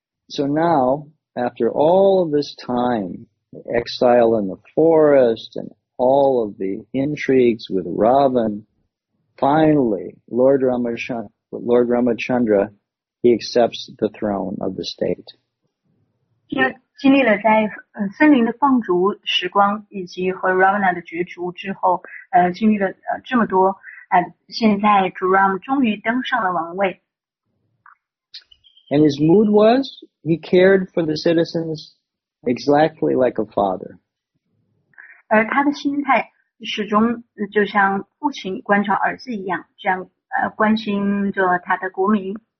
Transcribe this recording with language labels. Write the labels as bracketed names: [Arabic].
[English] So now, after all of this time, the exile in the forest and all of the intrigues with Ravan, finally, Lord Ramachandra, he accepts the throne of the state. [Chinese] 经历了在森林的放逐时光以及和 Ravana 的角逐之后，经历了这么多，现在 主 Rama 终于登上了王位。 [English] And his mood was, he cared for the citizens exactly like a father. [Chinese] 而他的心态始终就像父亲观察儿子一样，这样关心着他的国民。